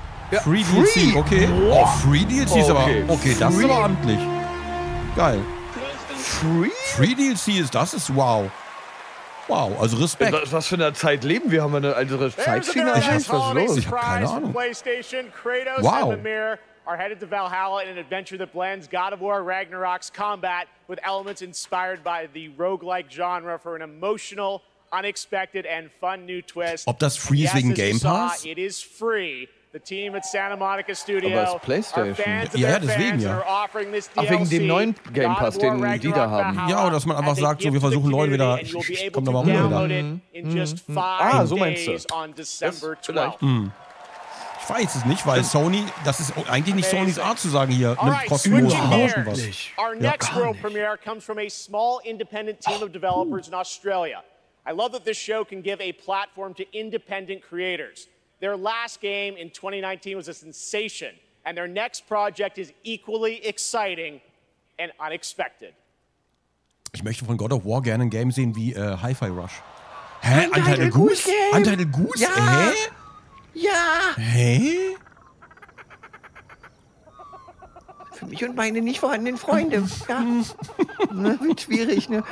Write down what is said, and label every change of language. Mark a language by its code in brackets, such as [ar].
[de] Ja, free DLC, okay. Wow. Oh, free DLC ist aber. Okay, das ist aber amtlich. Geil. Free DLC ist das, ist wow. Wow, also Respekt. Was für eine Zeit leben wir? Haben wir eine andere Zeitschiene? Ich hab was los. Ich hab keine Ahnung. PlayStation, Kratos und wow. [en] Mimir are headed to Valhalla in an adventure that blends God of War Ragnarok's combat with elements inspired by the roguelike genre for an emotional, unexpected and fun new twist. [de] Ob das free ist wegen Game Pass? [en] It is free. The team at Santa Monica Studio. [de] Aber es ist PlayStation. Ja, deswegen ja. Ach, wegen dem neuen Game Pass, den die da haben. Ja, oder dass man einfach sagt, so, wir versuchen Leute wieder. Komm doch mal rum, wieder. Ah, so meinst du. Vielleicht. Ich weiß es nicht, weil Sony, das ist eigentlich nicht Sonys Art zu sagen, hier, nimmt kostenlos und tauschen was. [en] Our next world premiere comes from a small independent team of developers in Australia. I love that this show can give a platform to independent creators. Their last game in 2019 was a sensation, and their next project is equally exciting and unexpected. [de] Ich möchte von God of War gerne ein Game sehen wie Hi-Fi Rush. Hä? Untitled Goose? Untitled Goose? Ja. Hä? Ja. Hä? Für mich und meine nicht vorhandenen Freunde. Ja. Ne, wird schwierig, ne?